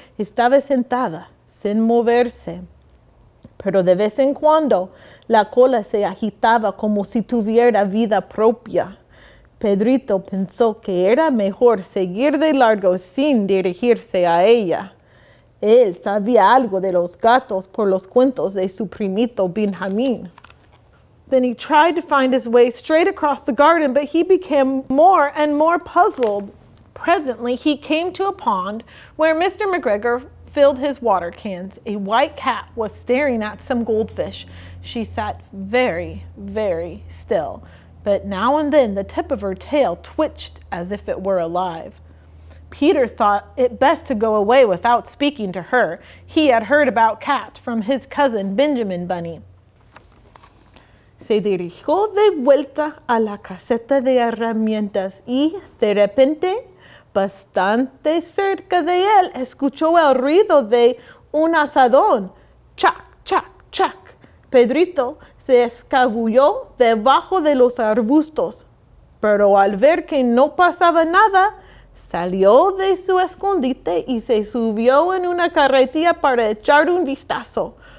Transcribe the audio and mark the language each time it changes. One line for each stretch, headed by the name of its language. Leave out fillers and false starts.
Spanish: Estaba sentada, sin moverse, pero de vez en cuando la cola se agitaba como si tuviera vida propia. Pedrito pensó que era mejor seguir de largo sin dirigirse a ella. Él sabía algo de los gatos por los cuentos de su primito Benjamín.
English: Then he tried to find his way straight across the garden, but he became more and more puzzled. Presently, he came to a pond where Mr. McGregor filled his water cans. A white cat was staring at some goldfish. She sat very, very still, but now and then the tip of her tail twitched as if it were alive. Peter thought it best to go away without speaking to her. He had heard about cats from his cousin, Benjamin Bunny.
Spanish: Se dirigió de vuelta a la caseta de herramientas y, de repente, bastante cerca de él, escuchó el ruido de un azadón. Chac, chac, chac. Pedrito se escabulló debajo de los arbustos, pero al ver que no pasaba nada, salió de su escondite y se subió en una carretilla para echar un vistazo.